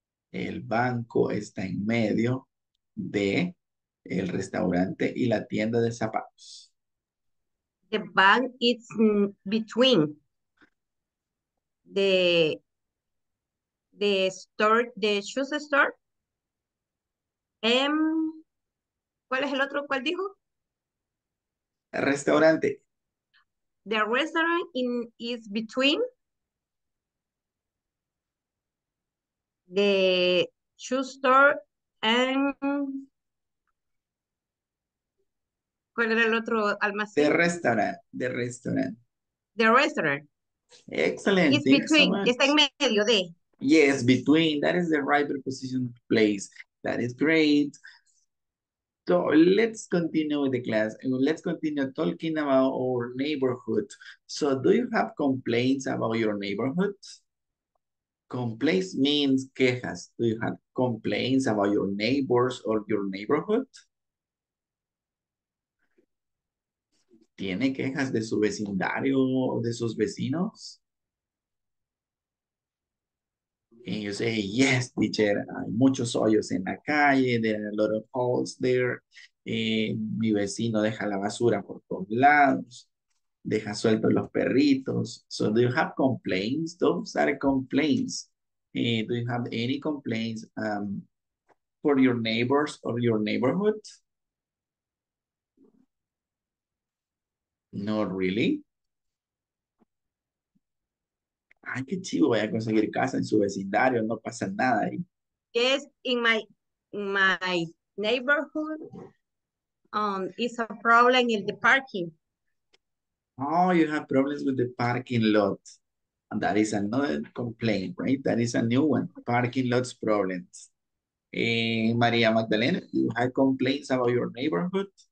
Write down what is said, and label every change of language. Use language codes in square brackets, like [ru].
[es] El banco está en medio de el restaurante y la tienda de zapatos. [en] The bank is between the store, the shoes store. [es] ¿Cuál es el otro? ¿Cuál dijo? Restaurante. [en] The restaurant is between the shoe store and [es] ¿cuál era el otro almacén? [en] The restaurant. The restaurant. Excellent. It's between. So [es] está en medio de. [en] Yes, between. That is the right preposition place. That is great. So let's continue with the class. Let's continue talking about our neighborhood. So do you have complaints about your neighborhood? Complaints means quejas. Do you have complaints about your neighbors or your neighborhood? [es] ¿Tiene quejas de su vecindario o de sus vecinos? [en] And you say, yes, teacher, [es] hay muchos hoyos en la calle, [en] there are a lot of holes there. [es] Mi vecino deja la basura por todos lados, deja sueltos los perritos. [en] So do you have complaints? Those are complaints. Do you have any complaints for your neighbors or your neighborhood? Not really. [es] Ay, qué chivo, voy a conseguir casa en su vecindario, no pasa nada ahí. [en] Yes, in my neighborhood, it's a problem in the parking. Oh, you have problems with the parking lot. And that is another complaint, right? That is a new one, parking lots problems. María Magdalena, you have complaints about your neighborhood?